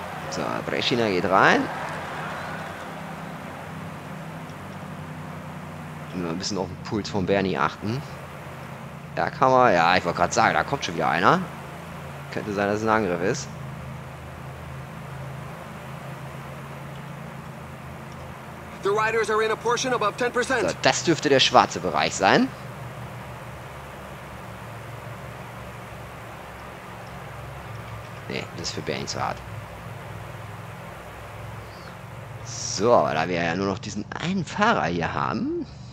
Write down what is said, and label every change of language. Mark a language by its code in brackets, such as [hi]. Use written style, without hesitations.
[de] So, Breschina geht rein. ein bisschen auf den Puls von Bernie achten. Da kann man, ja, ich wollte gerade sagen, da kommt schon wieder einer. Könnte sein, dass es ein Angriff ist. [en] The riders are in a portion above 10%. [de] So, das dürfte der schwarze Bereich sein. Ne, das ist für Bernie zu hart. So, aber da wir ja nur noch diesen einen Fahrer hier haben.